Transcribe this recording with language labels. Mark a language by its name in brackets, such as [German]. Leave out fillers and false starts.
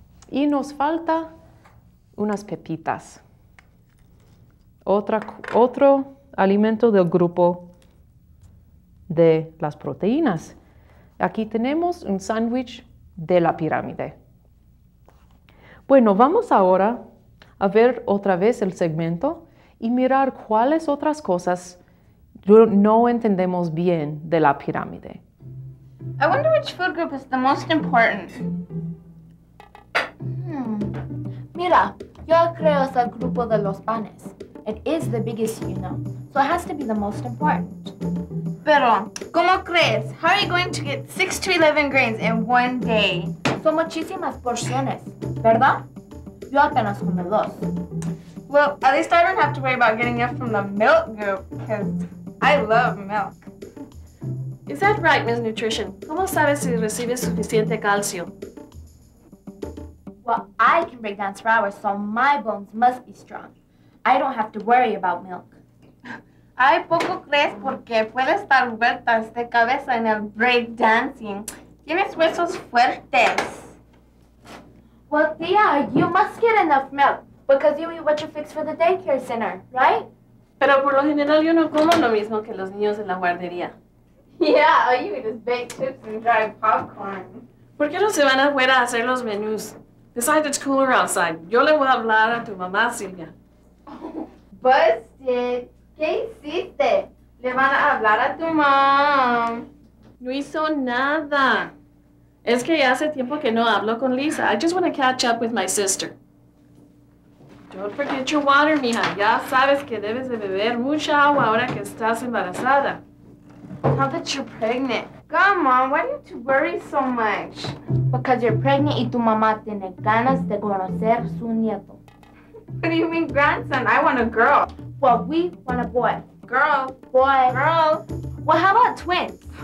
[Spanish] Y nos falta unas pepitas. Otro alimento del grupo de las proteínas. Aquí tenemos un sándwich de la pirámide. Bueno, vamos ahora a ver otra vez el segmento y mirar cuáles otras cosas no entendemos bien de la pirámide. [English] I wonder which food group is the most important. [Spanish] Mira, yo creo es el grupo de los panes. [English] It is the biggest, you know, so it has to be the most important. [Spanish] Pero, ¿cómo crees? [English] How are you going to get 6 to 11 grains in one day? [Spanish] Son muchísimas porciones, ¿verdad? Yo apenas como dos. [English] Well, at least I don't have to worry about getting it from the milk group, because I love milk. Is that right, Miss Nutrition? [Spanish] ¿Cómo sabes si recibes suficiente calcio? [English] Well, I can break dance for hours, so my bones must be strong. I don't have to worry about milk. [Spanish] Ay, poco crees porque puedes dar vueltas de cabeza en el break dancing. Tienes huesos fuertes. [English] Well, Tia, you must get enough milk because you eat what you fix for the daycare center, right? [Spanish] Pero por lo general yo no como lo mismo que los niños en la guardería. [English] Yeah, all you eat is baked chips and dried popcorn. [Spanish] ¿Por qué no se van afuera a hacer los menús? [English] Besides, it's cooler outside. [Spanish] Yo le voy a hablar a tu mamá, Silvia. Busted. ¿Qué hiciste? Le van a hablar a tu mom. No hizo nada. Es que ya hace tiempo que no hablo con Lisa. [English] I just want to catch up with my sister. Don't forget your water, mija. [Spanish] Ya sabes que debes de beber mucha agua ahora que estás embarazada. [English] Now that you're pregnant. Come on, why do you have to worry so much? Because you're pregnant [Spanish] y tu mamá tiene ganas de conocer su nieto. [English] What do you mean, grandson? I want a girl. Well, we want a boy. Girl. Boy. Girl. Well, how about twins?